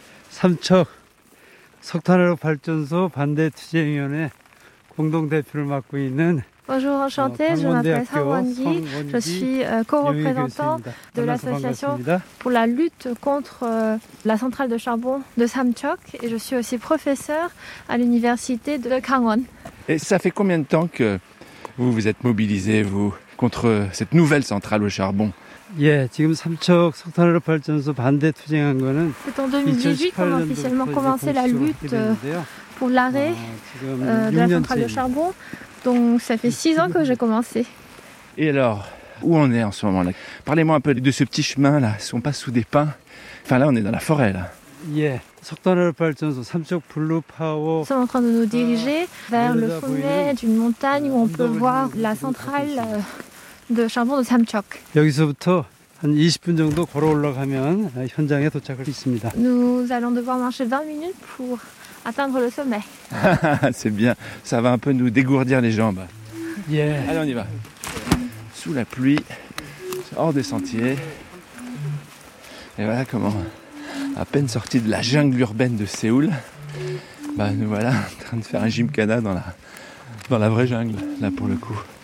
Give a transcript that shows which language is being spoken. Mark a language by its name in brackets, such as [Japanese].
[Korean] Samcheok 석탄화력 발전소 반대 투쟁위원회 공동 대표를 맡고 있는 [French] Bonjour, enchantée. Je m'appelle Sangwon-gi. Je suis co-représentant de l'association pour la lutte contre la centrale de charbon de Samcheok. Et je suis aussi professeure à l'université de Gangwon. Et ça fait combien de temps que vous vous êtes mobilisé, vous, contre cette nouvelle centrale au charbon ? C'est en 2018 qu'on a officiellement commencé la lutte pour l'arrêt de la centrale de charbon. Donc ça fait 6 ans que j'ai commencé. Et alors, où on est en ce moment-là ? Parlez-moi un peu de ce petit chemin-là, si on passe sous des pins. Enfin là, on est dans la forêt, là. Nous sommes en train de nous diriger vers le sommet d'une montagne où on peut voir la centrale de charbon de Samcheok. [Korean] 여기서부터 한 20분 정도 걸어 올라가면 현장에 도착할 수 있습니다. [French] Nous allons devoir marcher 20 minutes pour atteindre le sommet. C'est bien, ça va un peu nous dégourdir les jambes. [English] Yeah. [French] Allez, on y va. Sous la pluie, hors des sentiers. Et voilà comment, à peine sorti de la jungle urbaine de Séoul, bah nous voilà en train de faire un gymkhana dans la vraie jungle, là pour le coup.